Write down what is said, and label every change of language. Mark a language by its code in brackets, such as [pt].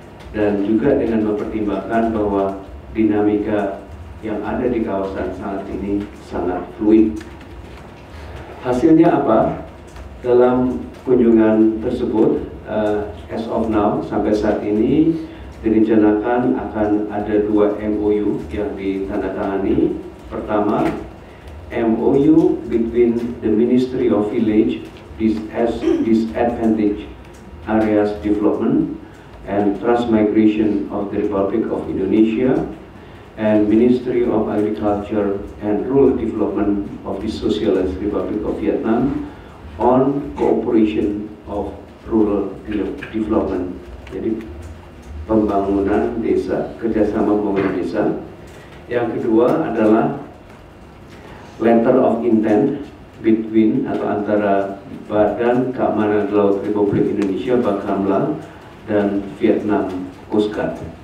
[id] dan juga dengan mempertimbangkan bahwa dinamika yang ada di kawasan saat ini sangat fluid. Hasilnya apa? Dalam kunjungan tersebut, [en] as of now, [id] sampai saat ini direncanakan akan ada dua MOU yang ditandatangani. [en] Pertama, MOU between the Ministry of Village Disadvantaged Areas Development and Transmigration of the Republic of Indonesia and Ministry of Agriculture and Rural Development of the Socialist Republic of Vietnam on cooperation of rural development. [id] Jadi pembangunan desa, kerjasama pembangunan desa. Yang kedua adalah [en] letter of intent between [id] atau antara Badan Keamanan Laut Republik Indonesia Bakamla dan Vietnam Coast Guard.